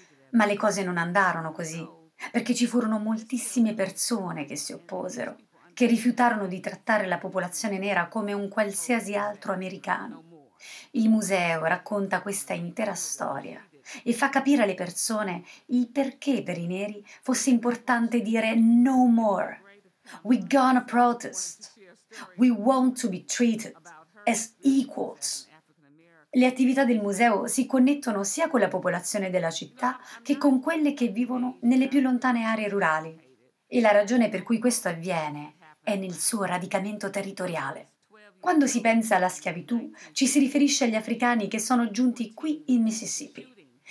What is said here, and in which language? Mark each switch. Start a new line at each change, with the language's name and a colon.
Italian: Ma le cose non andarono così, perché ci furono moltissime persone che si opposero, che rifiutarono di trattare la popolazione nera come un qualsiasi altro americano. Il museo racconta questa intera storia e fa capire alle persone il perché per i neri fosse importante dire no more.
English: We gonna protest. We want to be treated as equals.
Italian: Le attività del museo si connettono sia con la popolazione della città che con quelle che vivono nelle più lontane aree rurali. E la ragione per cui questo avviene è nel suo radicamento territoriale. Quando si pensa alla schiavitù, ci si riferisce agli africani che sono giunti qui in Mississippi.